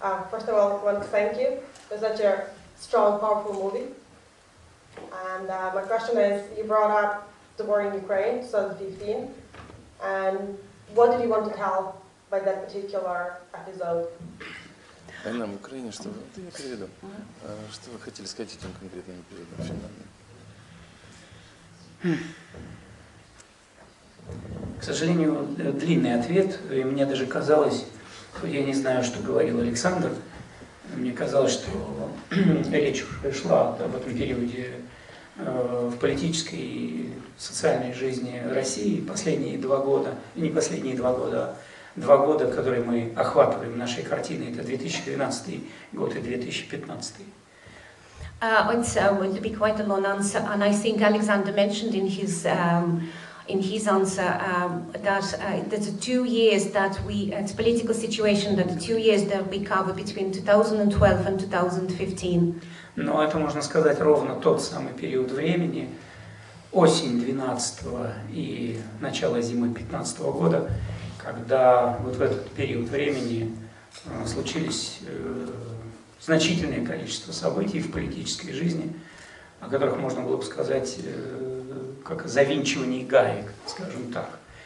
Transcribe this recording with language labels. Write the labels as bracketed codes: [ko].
[en] First of all, I want to thank you. It was such a strong, powerful movie. And my question is, you brought up the war in Ukraine, 2015. And what did you want to tell by that particular episode? [ru] Война в Украине, что вы? Да я приведу. Что вы хотели сказать этим конкретным эпизодом финальным? К сожалению, длинный ответ. И мне даже казалось, я не знаю, что говорил Александр, мне казалось, что речь уже шла об этом периоде в политической и социальной жизни России последние два года, не последние два года, два года, которые мы охватываем нашей картиной, это 2012 год и 2015. [en] It's going to be quite a long answer, and I think Alexander mentioned in his answer that the 2 years that we, it's a political situation, that the 2 years that we cover between 2012 and 2015. [ru] Но это можно сказать ровно тот самый период времени, осень 12 и начало зимы 15 года. Когда вот в этот период времени случились значительное количество событий в политической жизни, о которых можно было бы сказать как завинчивание гаек, скажем так.